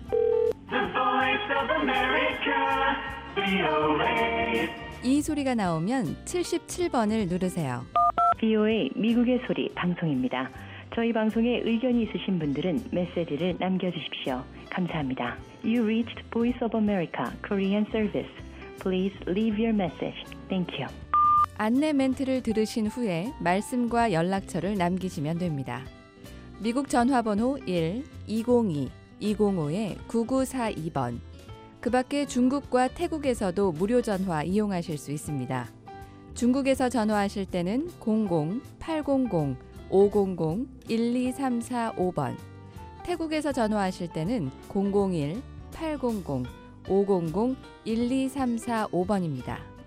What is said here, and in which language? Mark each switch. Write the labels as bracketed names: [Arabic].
[English] The Voice of America, VOA. [Korean] 이 소리가 나오면 77번을 누르세요. VOA 미국의 소리 방송입니다. 저희 방송에 의견이 있으신 분들은 메시지를 남겨주십시오. 감사합니다. [English] You reached Voice of America Korean Service. Please leave your message. Thank you. [Korean] 안내 멘트를 들으신 후에 말씀과 연락처를 남기시면 됩니다. 미국 전화번호 1-202-205-9942번. 그 밖에 중국과 태국에서도 무료 전화 이용하실 수 있습니다. 중국에서 전화하실 때는 00-800-500-1234-5번, 태국에서 전화하실 때는 001-800-500-1234-5번입니다.